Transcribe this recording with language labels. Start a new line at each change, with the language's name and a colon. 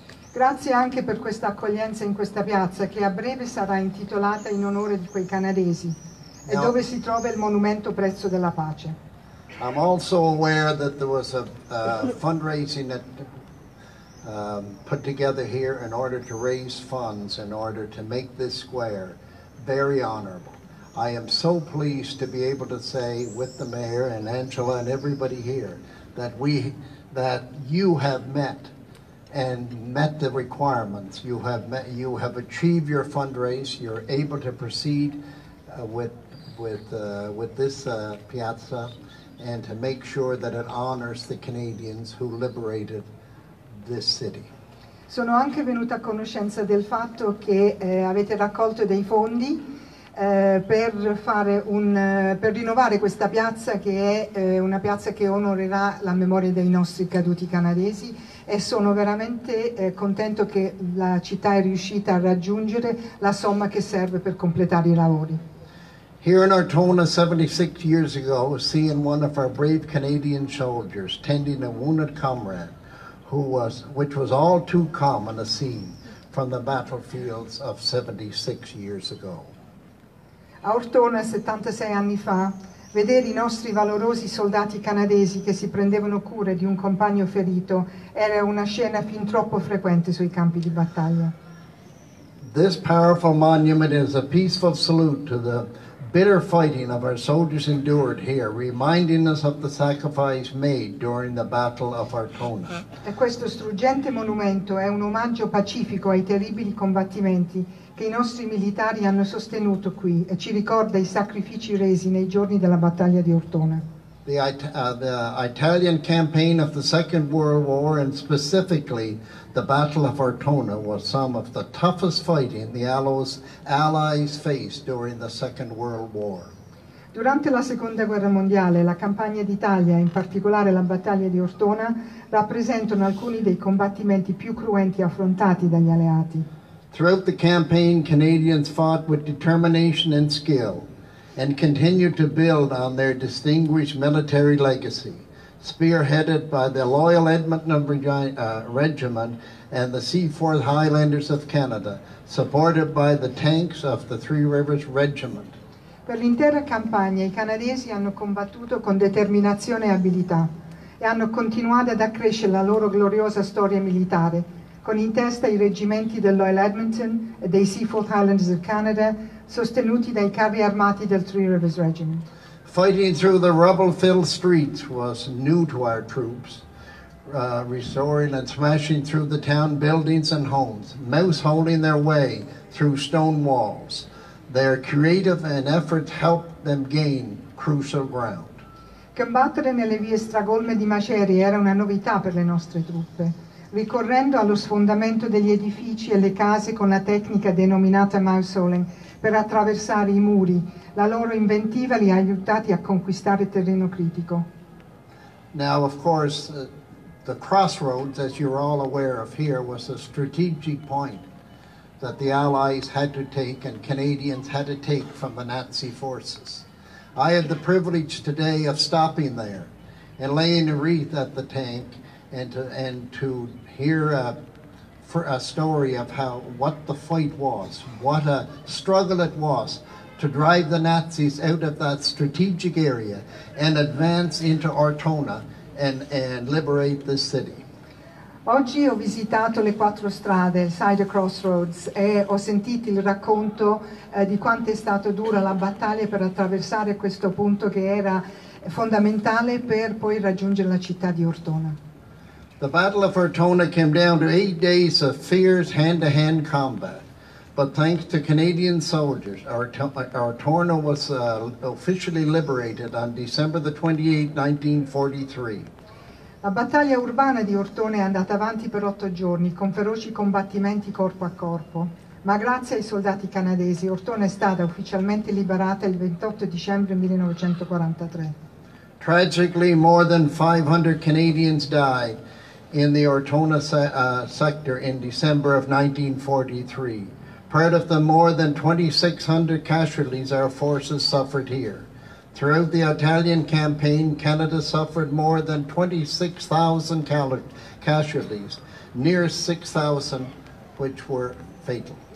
Italian: Grazie anche per questa accoglienza in questa piazza che a breve sarà intitolata in onore di quei canadesi e dove si trova il monumento Prezzo della Pace.
English: I'm also aware that there was a fundraising that put together here in order to raise funds in order to make this square very honorable. I am so pleased to be able to say with the mayor and Angela and everybody here that you have met the requirements. You have achieved your fundraise. You're able to proceed with this piazza and to make sure that it honors the Canadians who liberated this city.
Italian: Sono anche venuta a conoscenza del fatto che avete raccolto dei fondi per rinnovare questa piazza che è una piazza che onorerà la memoria dei nostri caduti canadesi e sono veramente contento che la città è riuscita a raggiungere la somma che serve per completare i lavori.
English: Here in Ortona 76 years ago, seeing one of our brave Canadian soldiers tending a wounded comrade which was all too common a scene from the battlefields of 76 years ago.
Italian: A Ortona 76 anni fa, vedere i nostri valorosi soldati canadesi che si prendevano cura di un compagno ferito era una scena fin troppo frequente sui campi di battaglia.
English: This powerful monument is a peaceful salute to the bitter fighting of our soldiers endured here, reminding us of the sacrifice made during the Battle of Ortona.
Italian: E questo struggente monumento è un omaggio pacifico ai terribili combattimenti che i nostri militari hanno sostenuto qui e ci ricorda i sacrifici resi nei giorni della battaglia di Ortona.
English: The Italian campaign of the Second World War, and specifically the Battle of Ortona, was some of the toughest fighting the Allies faced during the Second World War.
Italian: Durante la Seconda Guerra Mondiale, la campagna d'Italia, in particolare la battaglia di Ortona, rappresentano alcuni dei combattimenti più cruenti affrontati dagli alleati.
English: Throughout the campaign, Canadians fought with determination and skill and continue to build on their distinguished military legacy, spearheaded by the Loyal Edmonton Regiment and the Seaforth Highlanders of Canada, supported by the tanks of the Three Rivers Regiment.
Italian: Per l'intera campagna, i canadesi hanno combattuto con determinazione e abilità e hanno continuato ad accrescere la loro gloriosa storia militare, con in testa i reggimenti del Loyal Edmonton e dei Seaforth Highlanders of Canada, sostenuti dai carri armati del Three Rivers Regiment.
English: Fighting through the rubble-filled streets was new to our troops, restoring and smashing through the town buildings and homes, mouse-holing their way through stone walls. Their creative and efforts helped them gain crucial ground.
Italian: Combattere nelle vie stracolme di macerie era una novità per le nostre truppe, ricorrendo allo sfondamento degli edifici e le case con la tecnica denominata mouse-holing, per attraversare i muri, la loro inventiva li ha aiutati a conquistare terreno critico.
English: Now, of course, the crossroads, as you're all aware of here, was a strategic point that the Allies had to take and Canadians had to take from the Nazi forces. I had the privilege today of stopping there and laying a wreath at the tank and to hear a story of how what the fight was, what a struggle it was to drive the Nazis out of that strategic area and advance into Ortona and liberate the city.
Italian: Oggi ho visitato le quattro strade, Side Crossroads, e ho sentito il racconto di quanto è stata dura la battaglia per attraversare questo punto che era fondamentale per poi raggiungere la città di Ortona.
English: The Battle of Ortona came down to 8 days of fierce hand-to-hand combat, but thanks to Canadian soldiers, Ortona was officially liberated on December the 28th, 1943.
Italian: La battaglia urbana di Ortone è andata avanti per 8 giorni, con feroci combattimenti corpo a corpo. Ma grazie ai soldati canadesi, Ortone è stata ufficialmente liberata il 28 dicembre 1943.
English: Tragically, more than 500 Canadians died in the Ortona sector in December of 1943. Part of the more than 2,600 casualties our forces suffered here. Throughout the Italian campaign, Canada suffered more than 26,000 casualties, near 6,000 which were fatal.